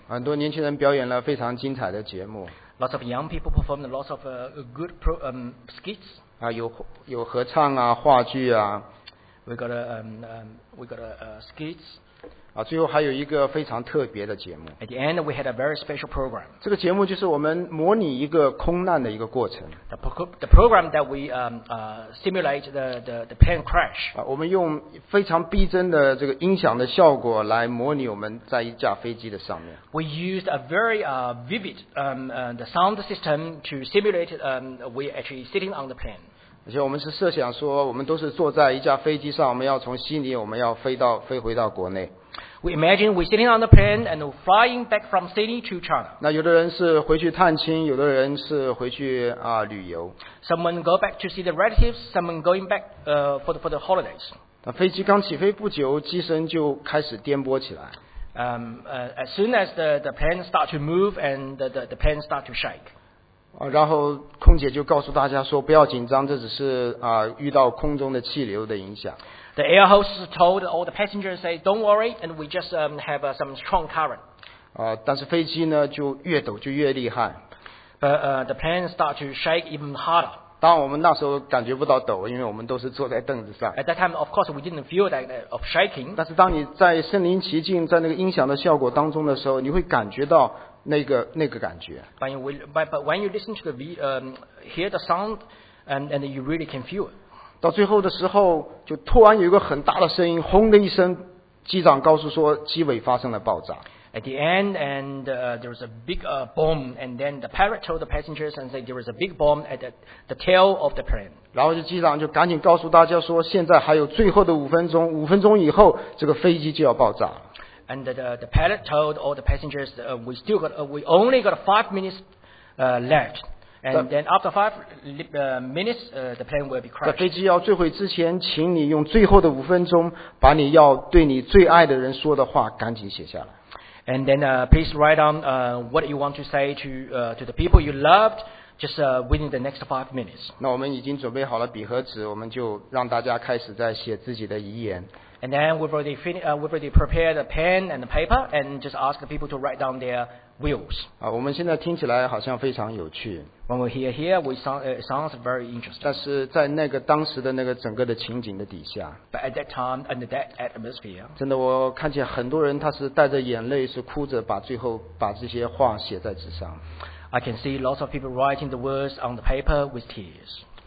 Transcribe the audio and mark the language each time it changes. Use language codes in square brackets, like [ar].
[zh] 很多年轻人表演了非常精彩的节目。 [en] Lots of young people performed lots of good skits。 [zh] 有合唱啊，话剧啊。 [en] We got skits。 [zh] 最后还有一个非常特别的节目。 [en] At the end, we had a very special program. [zh] 这个节目就是我们模拟一个空难的一个过程。 [en] The program that we simulate the plane crash. [zh] 我们用非常逼真的这个音响的效果来模拟我们在一架飞机的上面。 [en] We used a very vivid the sound system to simulate we actually sitting on the plane. [zh] 而且我们是设想说，我们都是坐在一架飞机上，我们要从悉尼，我们要飞回到国内。 [en] We imagine we sitting on the plane and flying back from Sydney to China. [zh] 那有的人是回去探亲，有的人是回去旅游。 [en] Someone go back to see the relatives, someone going back for the holidays. [zh] 那飞机刚起飞不久，机身就开始颠簸起来。 [en] As soon as the plane start to move and the plane start to shake. [zh] 然后空姐就告诉大家说不要紧张，这只是遇到空中的气流的影响。 [en] The air hostess told all the passengers say, "Don't worry, and we just have some strong current." [zh] 但是飞机呢就越抖就越厉害。 [en] The plane start to shake even harder. [zh] 当我们那时候感觉不到抖，因为我们都是坐在凳子上。 [en] At that time, of course, we didn't feel that of shaking. [zh] 但是当你在身临其境，在那个音响的效果当中的时候，你会感觉到。那个感觉。 [en] But when you listen to the hear the sound and you really can feel it. [zh] 到最后的时候，就突然有一个很大的声音，轰的一声，机长告诉说机尾发生了爆炸。 [en] At the end, and there was a big bomb, and then the pilot told the passengers and said there was a big bomb at the tail of the plane. [zh] 然后就机长就赶紧告诉大家说，现在还有最后的五分钟，五分钟以后这个飞机就要爆炸。 [en] and the pilot told all the passengers we still got we only got 5 minutes left. And then after 5 minutes, the plane will be crashed. [zh] 在飞机要坠毁之前，请你用最后的5分钟把你要对你最爱的人说的话赶紧写下来。 [en] And then please write down what you want to say to the people you loved just within the next 5 minutes. [zh] 那我们已经准备好了笔和纸，我们就让大家开始在写自己的遗言。 [en] And then we've already prepared a pen and a paper and just ask the people to write down their wills. [zh] 我们现在听起来好像非常有趣。 [en] When we hear here, it sounds very interesting. [zh] 但是在那个当时的那个整个的情景的底下, [en] but at that time, under that atmosphere, [zh] 真的我看见很多人他是带着眼泪是哭着把最后把这些话写在纸上。 [en] I can see lots of people writing the words on the paper with tears.